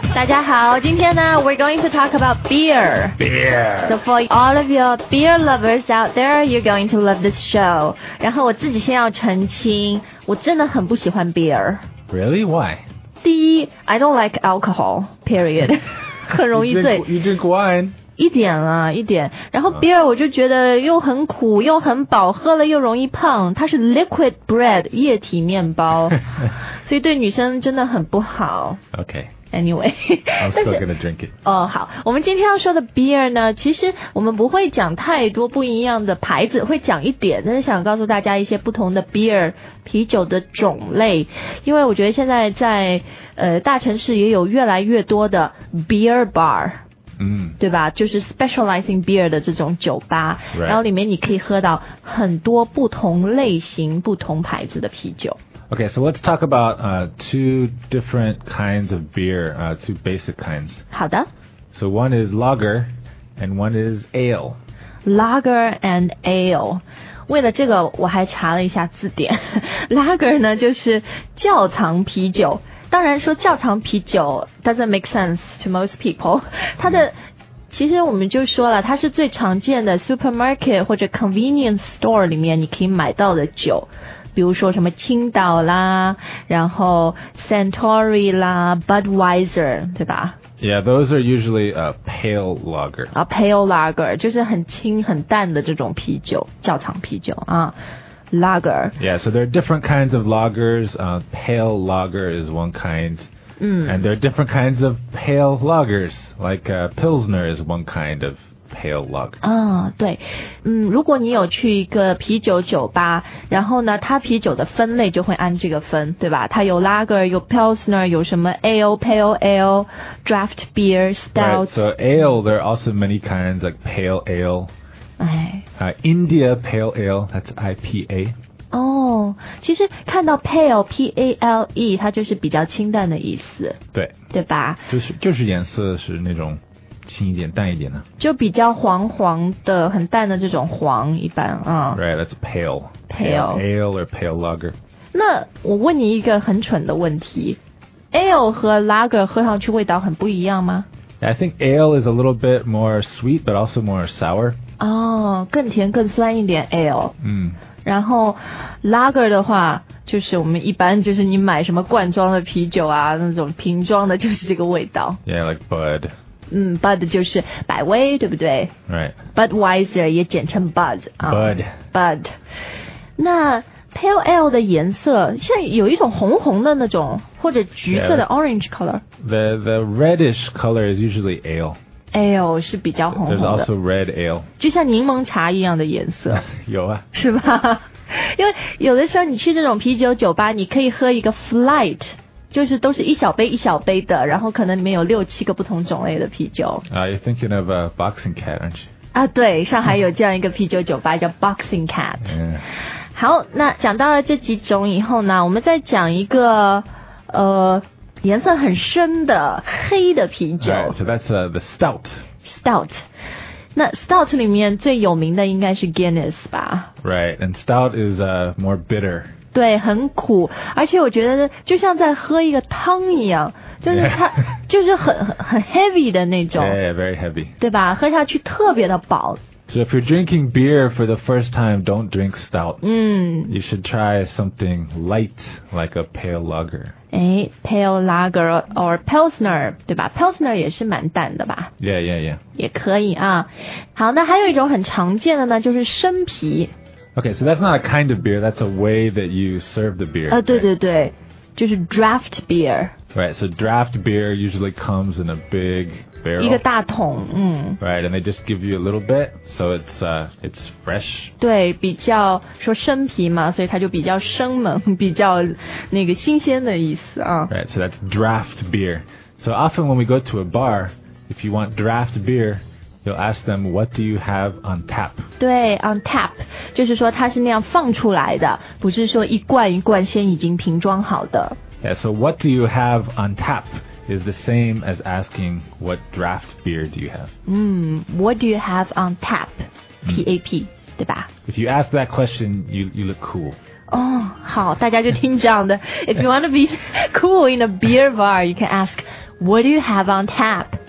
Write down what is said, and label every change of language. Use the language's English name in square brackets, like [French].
[Chinese] 大家好，今天呢 [English] we're going to talk about beer. Beer. So for all of your beer lovers out there, you're going to love this show. [Chinese] 然后我自己先要澄清，我真的很不喜欢 beer. [English] Really? Why? [Chinese] 第一 [English] I don't like alcohol, period. [Chinese] 很容易醉。 [English] You drink wine? [Chinese] 一点啊一点，然后 beer 我就觉得又很苦又很饱，喝了又容易胖，它是 [English] liquid bread [Chinese] 液体面包，所以对女生真的很不好。 [English] OK anyway I'm still gonna drink it. [Chinese] 哦好，我们今天要说的 beer 呢，其实我们不会讲太多不一样的牌子，会讲一点，但是想告诉大家一些不同的 beer 啤酒的种类，因为我觉得现在在大城市也有越来越多的 beer bar，对吧，就是 [English] specializing beer [Chinese] 的这种酒吧、 [English] right. [Chinese] 然后里面你可以喝到很多不同类型不同牌子的啤酒。 [English] OK, so let's talk about two different kinds of beer, two basic kinds. [Chinese] 好的。 [English] So one is lager and one is ale. Lager and ale. [Chinese] 为了这个我还查了一下字典。 Lager 呢就是窖藏啤酒，当然说窖藏啤酒 [English] doesn't make sense to most people. [Chinese] 它的、其实我们就说了，它是最常见的 supermarket 或者 convenience store 里面你可以买到的酒，比如说什么青岛啦，然后 Suntory 啦， Budweiser 对吧？ [English] Yeah, those are usually a pale lager. [Chinese] A pale lager 就是很轻很淡的这种啤酒，窖藏啤酒啊。Lager. [English] Yeah, so there are different kinds of lagers. Pale lager is one kind. And there are different kinds of pale lagers. Like Pilsner is one kind of pale lager. [Chinese] 对。如果你有去一个啤酒酒吧，然后呢它啤酒的分类就会按这个分，对吧？它有 lager, 有 Pilsner, 有什么 ale, pale ale, draft beer, stout. [English] Right, so ale, there are also many kinds, like pale ale. India Pale Ale, that's IPA. [Chinese] 哦、其实看到 Pale, P-A-L-E, 它就是比较清淡的意思。对。对吧？就是颜色是那种清一点淡一点的。就比较黄黄的很淡的这种黄一般。 [English] Right, that's pale. Pale. Ale or pale lager. [Chinese] 那我问你一个很蠢的问题。 Ale 和 lager 喝上去味道很不一样吗？ [English] I think ale is a little bit more sweet, but also more sour. [Chinese] 哦、更甜更酸一点 ale、然后 lager 的话就是我们一般就是你买什么罐装的啤酒啊，那种瓶装的就是这个味道。 [English] Yeah, like Bud. [Chinese] Bud 就是百威，对不对？ [English] Right. [Chinese] Budweiser 也简称 Bud、 [English] Bud. [Chinese] Bud. 那 pale ale 的颜色像有一种红红的那种，或者橘色的 [English] orange color。 The reddish color is usually ale [Chinese] Ale 是比较红红的。 [English] There's also red ale. [Chinese] 就像柠檬茶一样的颜色。有啊。是吧？因为有的时候你去这种啤酒酒吧，你可以喝一个 flight， 就是都是一小杯一小杯的，然后可能里面有六七个不同种类的啤酒。 [English] You're thinking of a boxing cat, aren't you? [Chinese] 啊，对，上海有这样一个啤酒酒吧叫 boxing cat。好，那讲到了这几种以后呢，我们再讲一个颜色很深的黑的啤酒。 [English] Right, so that's the stout. [Chinese] Stout. 那 stout 里面最有名的应该是 Guinness 吧。 [English] Right, and stout is more bitter. [Chinese] 对，很苦，而且我觉得就像在喝一个汤一样，就是它、 [English] yeah. [Chinese] 就是很 heavy 的那种。 [English] Yeah, yeah, very heavy. [Chinese] 对吧？喝下去特别的饱。 [English] So if you're drinking beer for the first time, don't drink stout. You should try something light, like a pale lager. Pale lager or Pilsner, [Chinese] 对吧？ Pilsner 也是蛮淡的吧？ [English] Yeah, yeah, yeah. [Chinese] 也可以啊。好，那还有一种很常见的呢，就是生啤。 [English] Okay, so that's not a kind of beer, that's a way that you serve the beer. [Chinese] 对对对，就是 draft beer. [English] Right, so draft beer usually comes in a big... [Chinese] 一个大桶， [English] Right, and they just give you a little bit, so it's fresh. [Chinese] 对，比较说生啤嘛，所以它就比较生猛，比较那个新鲜的意思啊。 [English] Right, so that's draft beer. So often when we go to a bar, if you want draft beer, you'll ask them, what do you have on tap? [Chinese] 对 ，on tap 就是说它是那样放出来的，不是说一罐一罐先已经瓶装好的。 [English] Yeah, so what do you have on tap? Is the same as asking what draft beer do you have? What do you have on tap? T-A-P. [Chinese] 对吧 [English] If you ask that question, you look cool. Oh, [Chinese] 好，大家就听这样的 [English] If you want to be cool in a beer bar, you can ask, what do you have on tap?